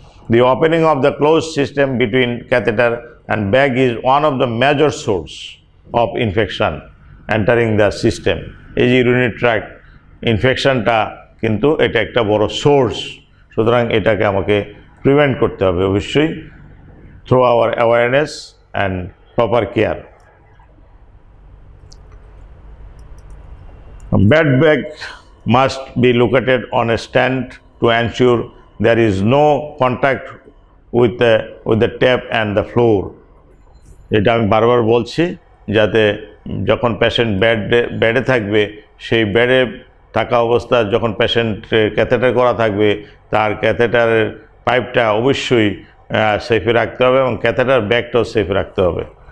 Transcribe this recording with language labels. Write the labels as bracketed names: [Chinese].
[English] The opening of the close system between catheter and bag is one of the major source of infection entering the system. [Bangla] এই যে urinary track ইনফেকশনটা কিন্তু এটা একটা বড় source, সুতরাং এটাকে আমাকে প্রিভেন্ট করতে হবে অবশ্যই [English] Through our awareness and proper care. Bed bag must be located on a stand to ensure there is no contact with the tap and the floor. [Bangla] এটা আমি বারবার বলছি যাতে যখন পেশেন্ট বেডে থাকবে সেই বেডে থাকা অবস্থায় যখন পেশেন্ট ক্যাথেটার করা থাকবে তার ক্যাথেটারের পাইপটা অবশ্যই সেফে রাখতে হবে এবং ক্যাথেটার ব্যাগটাও সেফে রাখতে হবে।